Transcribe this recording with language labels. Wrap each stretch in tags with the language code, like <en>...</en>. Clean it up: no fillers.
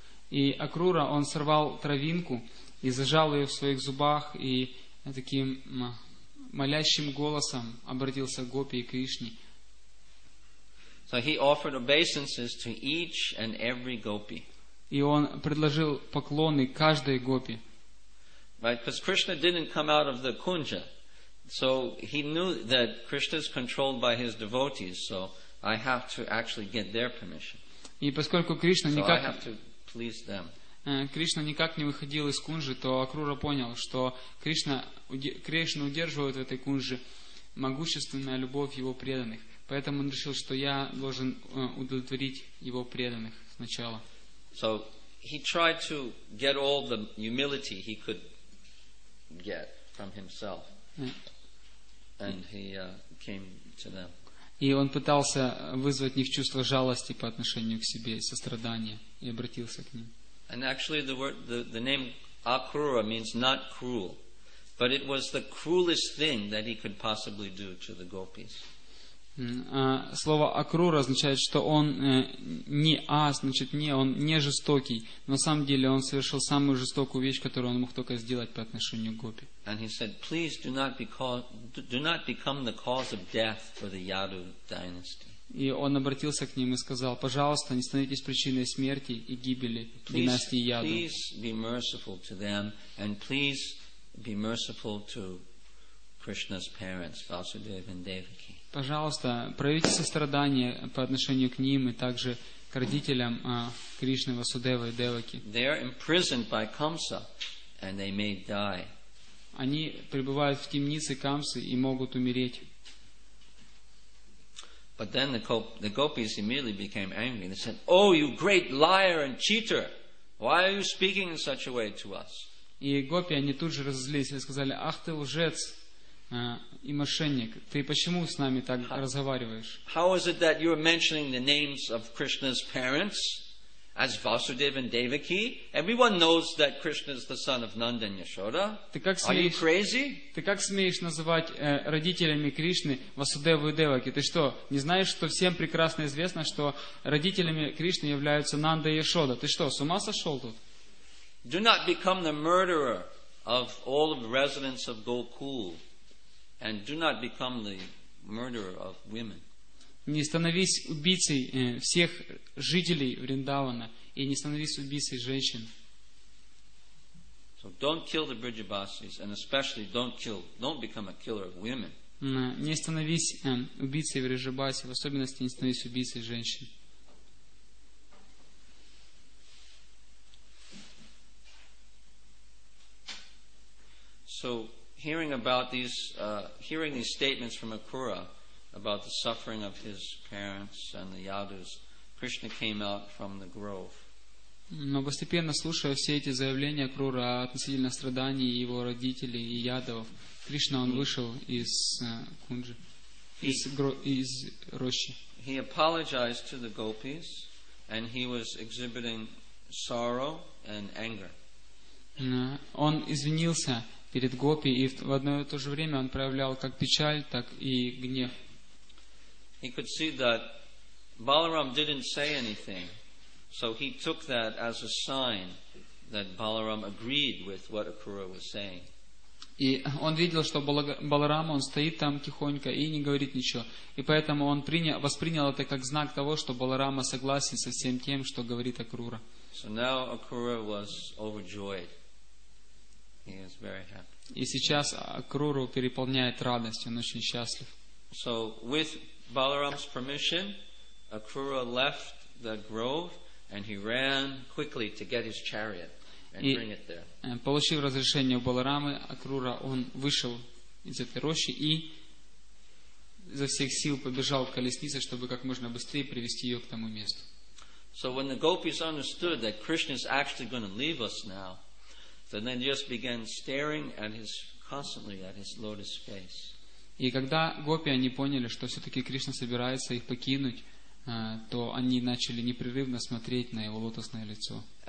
<ru>И Акрура, он сорвал травинку и зажал ее в своих зубах, и таким молящим голосом обратился к Гопи и Кришне.</ru> <en>So he offered obeisances to each and every gopi.</en> <ru>И он предложил поклоны каждой гопи.</ru> <en>Right, because Krishna didn't come out of the kunja. So he knew that Krishna is controlled by his devotees, so I have to actually get their permission.</en> <ru>И поскольку Кришна никак...</ru> <en>So I have to please them.</en> <ru>Кришна никак не выходил из кунжи, то Акрура понял, что Кришна удерживает в этой кунже могущественная любовь его преданных. Поэтому он решил, что я должен удовлетворить его преданных сначала.</ru> <en>So he tried to get all the humility he could get from himself. And he came to them.</en> <ru>И он пытался вызвать в них чувство жалости по отношению к себе, сострадания, и обратился к ним.</ru> <en>And actually the word the name Akrura means not cruel, but it was the cruelest thing that he could possibly do to the gopis.</en> <ru>Слово Акрура означает, что он не а, значит не, он не жестокий. На самом деле он совершил самую жестокую вещь, которую он мог только сделать по отношению к гопи.</ru> <en>And he said, please do not become the cause of death for the Yadu dynasty.</en> <ru>И он обратился к ним и сказал, пожалуйста, не становитесь причиной смерти и гибели династии Яду.</ru> <en>Please be merciful to them and please be merciful to Krishna's parents, Vasudeva and Devaki.</en> <ru>Пожалуйста, проявите сострадание по отношению к ним и также к родителям Кришны, Васудевы и Деваки.</ru> <en>They are imprisoned by Kamsa and they may die.</en> <ru>Они пребывают в темнице Камсы и могут умереть.</ru> <en>But then the gopis immediately became angry. They said, "Oh, you great liar and cheater! Why are you speaking in such a way to us?"</en> <ru>И гопи они тут же разозлились и сказали: "Ах ты лжец и мошенник! Ты почему с нами так разговариваешь?"</ru> <en>How is it that you are mentioning the names of Krishna's parents as Vasudeva and Devaki? Everyone knows that Krishna is the son of Nanda and Yashoda. Are you crazy?</en> <ru>Ты как смеешь называть родителями Кришны Васудеву и Деваки? Ты что, не знаешь, что всем прекрасно известно, что родителями Кришны являются Нанда и Яшода? Ты что, с ума сошел тут?</ru> <en>Do not become the murderer of all of the residents of Gokul, and do not become the murderer of women.</en> <ru>Не становись убийцей всех жителей Вриндавана и не становись убийцей женщин.</ru> <en>So don't kill the Brijabasis and especially don't become a killer of women.</en> <ru>Не становись убийцей Вриджабаси, в особенности не становись убийцей женщин.</ru> <en>So hearing about these hearing these statements from Akura about the suffering of his parents and the Yadus, Krishna came out from the grove.</en> <ru>Но постепенно слушая все эти заявления Акрура относительно страданий его родителей и Ядов, Кришна он вышел из кунжи, из рощи.</ru> <en>He apologized to the gopis, and he was exhibiting sorrow and anger.</en> <ru>Он извинился перед гопи и в одно и то же время он проявлял как печаль, так и гнев.</ru> <en>He could see that Balaram didn't say anything, so he took that as a sign that Balaram agreed with what Akrura was saying.</en> <ru>И он видел, что Баларам он стоит там тихонько и не говорит ничего, и поэтому он воспринял это как знак того, что Баларама согласен со всем тем, что говорит Акрура.</ru> <en>So now Akrura was overjoyed. He is very happy.</en> <ru>И сейчас Акруру переполняет радость, он очень счастлив.</ru> <en>So with Balaram's permission, Akrura left the grove and he ran quickly to get his chariot and bring it there.</en> <ru>Получив разрешение у Баларамы, Акрура он вышел из этой рощи и изо всех сил побежал к колеснице, чтобы как можно быстрее привести ее к тому месту.</ru> <en>So when the gopis understood that Krishna is actually going to leave us now, then they just began staring at his constantly at his lotus face.</en> <ru>И когда гопи они поняли, что все-таки Кришна собирается их покинуть, то они начали непрерывно смотреть на его лотосное лицо.</ru>